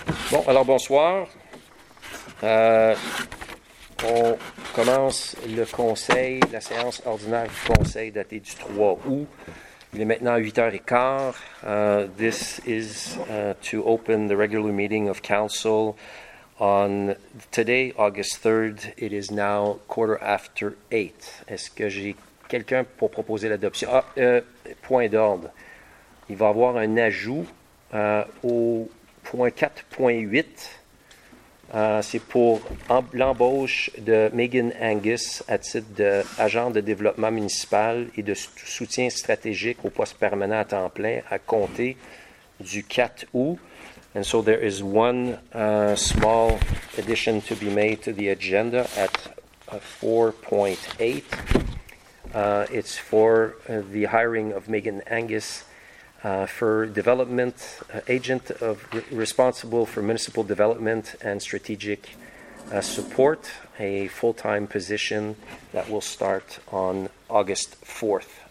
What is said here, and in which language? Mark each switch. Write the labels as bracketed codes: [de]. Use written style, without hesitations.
[fr] Bon, alors bonsoir. On commence le conseil, la séance ordinaire du conseil datée du 3 août. Il est maintenant 8h15. [en] This is to open the regular meeting of council on today, August 3rd. It is now 8:15. [fr] Est-ce que j'ai quelqu'un pour proposer l'adoption? Ah, point d'ordre. Il va y avoir un ajout au point 4.8. C'est pour l'embauche de Megan Angus à titre d'agent de développement municipal et de soutien stratégique au poste permanent à temps plein à compter du 4 août. [en] And so there is one small addition to be made to the agenda at 4.8. It's for the hiring of Megan Angus for development agent of responsible for municipal development and strategic support, a full-time position that will start on August 4th.